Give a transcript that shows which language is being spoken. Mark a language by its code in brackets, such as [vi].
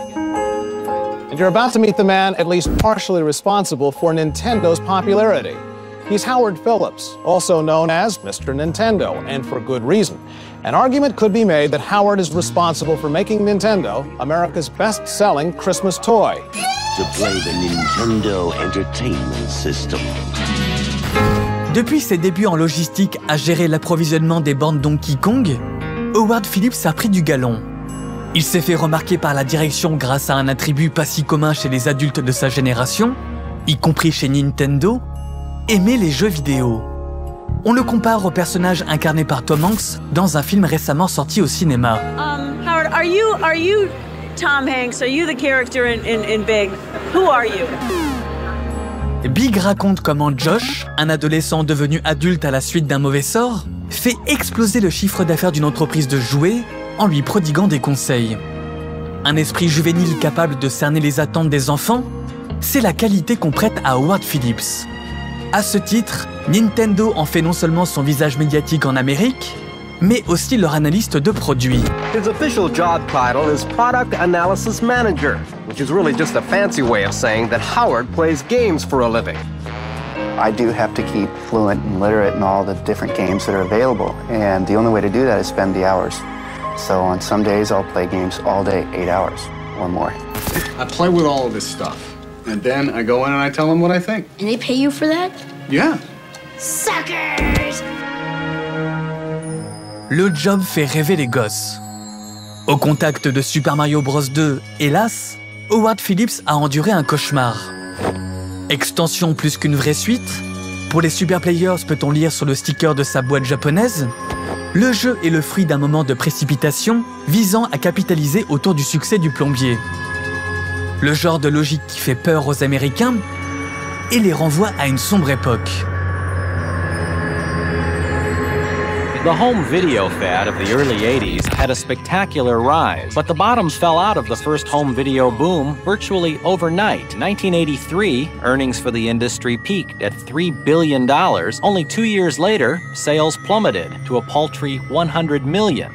[en] And you're about to meet the man at least partially responsible for Nintendo's popularity. He's Howard Phillips, also known as Mr. Nintendo, and for good reason. An argument could be made that Howard is responsible for making Nintendo America's best-selling Christmas toy. To play the Nintendo Entertainment System. [fr] Depuis ses débuts en logistique à gérer l'approvisionnement des bornes Donkey Kong, Howard Phillips a pris du galon. Il s'est fait remarquer par la direction grâce à un attribut pas si commun chez les adultes de sa génération, y compris chez Nintendo, aimer les jeux vidéo. On le compare au personnage incarné par Tom Hanks dans un film récemment sorti au cinéma. [en] Howard, are you... Tom Hanks, are you the character in Big? Who are you? [fr] Big raconte comment Josh, un adolescent devenu adulte à la suite d'un mauvais sort, fait exploser le chiffre d'affaires d'une entreprise de jouets en lui prodiguant des conseils. Un esprit juvénile capable de cerner les attentes des enfants, c'est la qualité qu'on prête à Howard Phillips. À ce titre, Nintendo en fait non seulement son visage médiatique en Amérique, mais aussi leur analyste de produits. [en] His official job title is Product Analysis Manager, which is really just a fancy way of saying that Howard plays games for a living. I do have to keep fluent and literate in all the different games that are available, and the only way to do that is spend the hours. So on some days I'll play games all day, 8 hours or more. I play with all of this stuff, and then I go in and I tell them what I think. And they pay you for that? Yeah. Suckers! [fr] Le job fait rêver les gosses. Au contact de Super Mario Bros. 2, hélas, Howard Phillips a enduré un cauchemar. Extension plus qu'une vraie suite? Pour les Super Players, peut-on lire sur le sticker de sa boîte japonaise? Le jeu est le fruit d'un moment de précipitation visant à capitaliser autour du succès du plombier. Le genre de logique qui fait peur aux Américains et les renvoie à une sombre époque. [en] The home video fad of the early 80s had a spectacular rise, but the bottom fell out of the first home video boom virtually overnight. 1983, earnings for the industry peaked at $3 billion. Only 2 years later, sales plummeted to a paltry $100 million.